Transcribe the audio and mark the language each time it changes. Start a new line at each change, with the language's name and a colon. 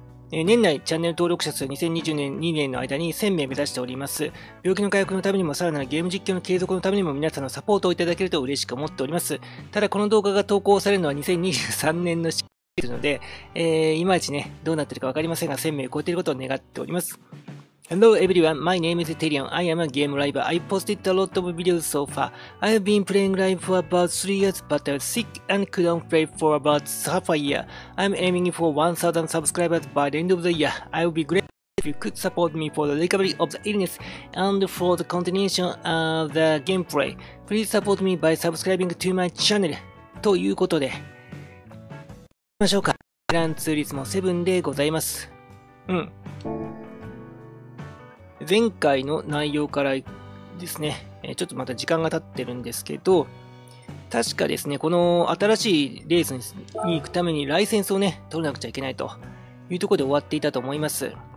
Japanese: 年内チャンネル登録者数2022年の間に1000名目指しております。病気の回復のためにも、さらなるゲーム実況の継続のためにも皆さんのサポートをいただけると嬉しく思っております。ただこの動画が投稿されるのは2023年の4月ですので、いまいちね、どうなってるかわかりませんが、1000名を超えていることを願っております。
English: Hello everyone, my name is Terion. I am a game writer. I posted a lot of videos so far. I have been playing live for about 3 years, but I was sick and couldn't play for about half a year. I'm aiming for 1,000 subscribers by the end of the year. I would be grateful if you could support me for the recovery of the illness and for the continuation of the gameplay. Please support me by subscribing to my channel.
Japanese: ということで、行きましょうか。グランツーリスモ7でございます。うん。前回の内容からですね、ちょっとまた時間が経ってるんですけど、確かですね、この新しいレースに行くためにライセンスをね、取らなくちゃいけないというところで終わっていたと思います。